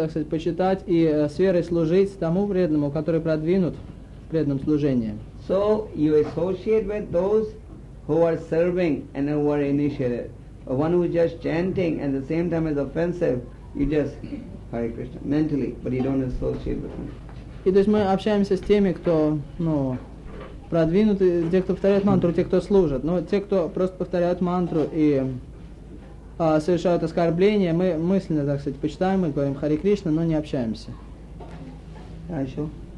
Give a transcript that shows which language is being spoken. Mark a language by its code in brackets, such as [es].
[ru] Почитать и с верой служить тому преданному, который продвинут в преданном служении. [en] So you associate with those who are serving and who are initiated. One who is just chanting and at the same time is offensive, you just Hare Krishna mentally, but you don't associate with him. [ru] И то есть мы общаемся с теми, кто продвинутый, те, кто повторяет мантру, те, кто служат. Но те, кто просто повторяют мантру и совершают оскорбления, мы мысленно, так сказать, почитаем и говорим Харе Кришна, но не общаемся. А еще?